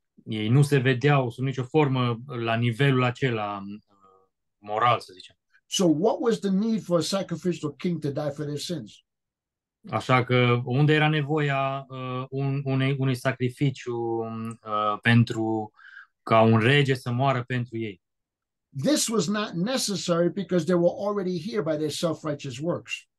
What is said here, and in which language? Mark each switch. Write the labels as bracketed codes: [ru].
[ro] Ei nu se vedeau sub nicio formă la nivelul acela moral, să zicem. [en] So what was the need for a sacrificial king to die for their sins? [ro] Așa că unde era nevoia unui sacrificiu pentru ca un rege să moară pentru ei? [en] This was not necessary because they were already here by their self-righteous works.